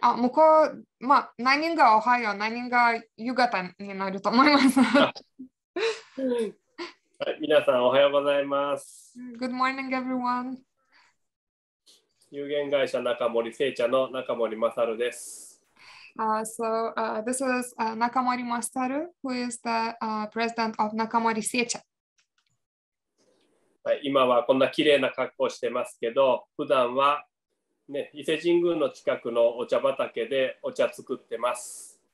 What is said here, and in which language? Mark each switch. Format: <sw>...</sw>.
<ja>あ、向こう、まあ、何人がおはよう、何人が夕方になると思います。はい、皆さんおはようございます。</ja> <en>Good morning, everyone.</en> <ja>有限会社中森製茶の中森勝です。</ja> <en>So this is Nakamori Masaru, who is the president of Nakamori Seicha.</en> <ja>今はこんな綺麗な格好してますけど、普段はね、伊勢神宮の近くのお茶畑でお茶作ってます。</ja>